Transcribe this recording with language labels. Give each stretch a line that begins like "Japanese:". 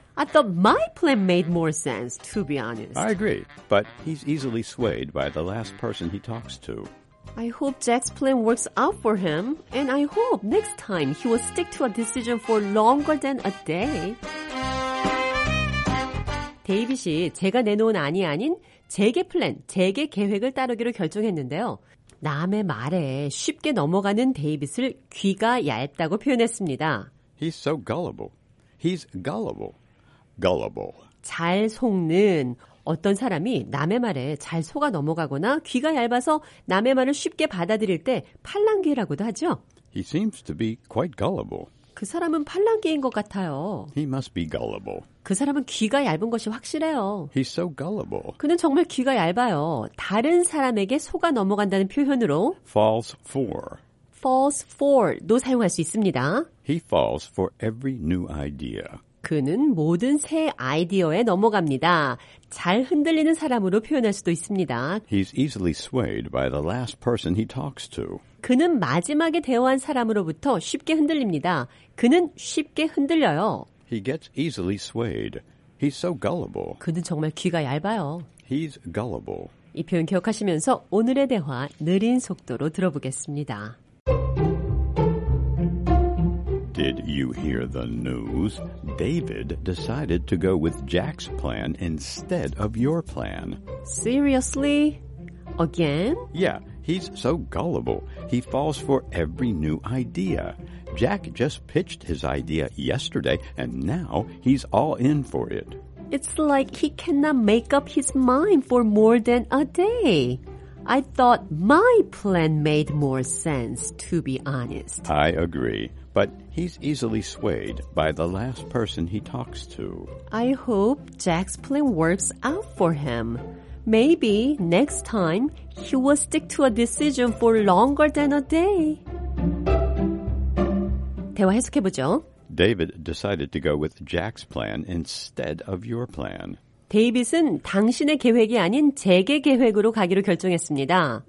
English: I thought my plan made more sense, to be honest. I agree, but he's easily swayed by the last person he talks to. I hope Jack's plan works out for him, and I hope next time he will stick to a decision for longer than a day.
Korean: 데이빗이 제가 내놓은 안이 아닌 제게 플랜, 제게 계획을 따르기로 결정했는데요. 남의 말에 쉽게 넘어가는 데이빗을 귀가 얇다고 표현했습니다.
English: He's so gullible. He's gullible. Gullible.
Korean: 잘 속는 어떤 사람이 남의 말에 잘 속아 넘어가거나 귀가 얇아서 남의 말을 쉽게 받아들일 때 팔랑귀라고도 하죠.
English: He seems to be quite gullible.
Korean: 그 사람은 팔랑귀인 것 같아요.
English: He must be gullible.
Korean: 그 사람은 귀가 얇은 것이 확실해요.
English: He's so gullible.
Korean: 그는 정말 귀가 얇아요. 다른 사람에게 속아 넘어간다는 표현으로
English: falls for. falls for
Korean: 도 사용할 수 있습니다.
English: He falls for every new idea.
Korean: 그는 모든 새 아이디어에 넘어갑니다. 잘 흔들리는 사람으로 표현할 수도 있습니다.
English: He's easily swayed by the last person he talks to.
Korean: 그는 마지막에 대화한 사람으로부터 쉽게 흔들립니다. 그는 쉽게 흔들려요.
English: He gets easily swayed. He's so gullible.
Korean: 그는 정말 귀가 얇아요.
English: He's gullible.
Korean: 이 표현 기억하시면서 오늘의 대화 느린 속도로 들어보겠습니다.
English: Did you hear the news? David decided to go with Jack's plan instead of your plan. Seriously? Again? Yeah, he's so gullible. He falls for every new idea. Jack just pitched his idea yesterday, and now he's all in for it. It's like he cannot make up his mind for more than a day. I thought my plan made more sense, to be honest. I agree. But he's easily swayed by the last person he talks to. I hope Jack's plan works out for him. Maybe next time he will stick to a decision for longer than a day.
Korean: 대화 해석해보죠.
English: David decided to go with Jack's plan instead of your plan.
Korean: 데이빗은 당신의 계획이 아닌 제게 계획으로 가기로 결정했습니다.